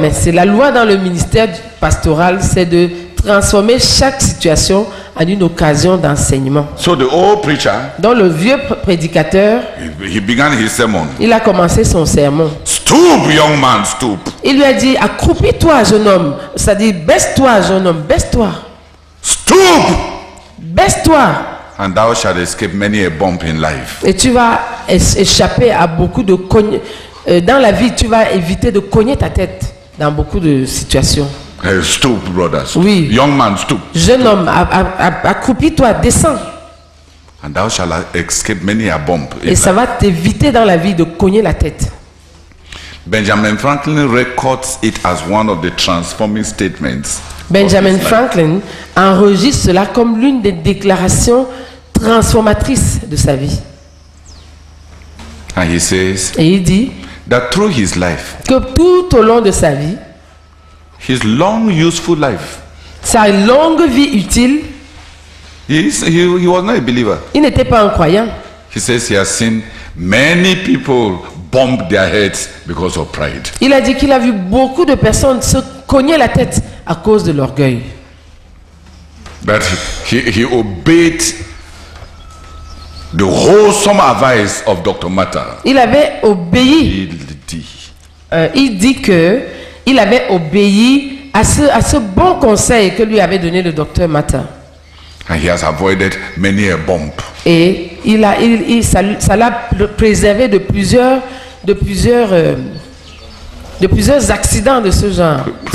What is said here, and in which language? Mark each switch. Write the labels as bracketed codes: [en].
[fr] Mais c'est la loi dans le ministère pastoral, c'est de transformer chaque situation en une occasion d'enseignement. [en] So the old preacher, [fr] dans le vieux prédicateur, [en] he began his sermon. [fr] Il a commencé son sermon. [en] Stoop, young man, stoop. [fr] Il lui a dit, accroupis-toi, jeune homme. Ça dit, baisse-toi, jeune homme, baisse-toi. [en] Stoop. [fr] Baisse-toi. [en] And thou shalt escape many a bump in life. [fr] Et tu vas échapper à beaucoup de cognes. Dans la vie, tu vas éviter de cogner ta tête dans beaucoup de situations. [en] Hey, stoop, brother. Stoop. [fr] Oui. [en] Young man, stoop. [fr] Jeune homme, accroupis-toi, descends. [en] And thou shalt escape many a bump in life. [fr] Et ça va t'éviter dans la vie de cogner la tête. [en] Benjamin Franklin records it as one of the transforming statements. [fr] Benjamin Franklin enregistre cela comme l'une des déclarations transformatrices de sa vie. [en] And he says, [fr] et il dit [en] that through his life, [fr] que tout au long de sa vie, [en] his long useful life, [fr] sa longue vie utile, [en] he was not a believer. [fr] Il n'était pas un croyant. [en] He says he has seen many people bump their heads because of pride. [fr] Il a dit qu'il a vu beaucoup de personnes se cogner la tête à cause de l'orgueil. [en] But he obeyed the wholesome advice of Dr. Mather. [fr] Il avait obéi. Il avait obéi à ce bon conseil que lui avait donné le Dr. Mather. [en] And he has avoided many a bump. [fr] Et ça l'a préservé de plusieurs accidents de ce genre.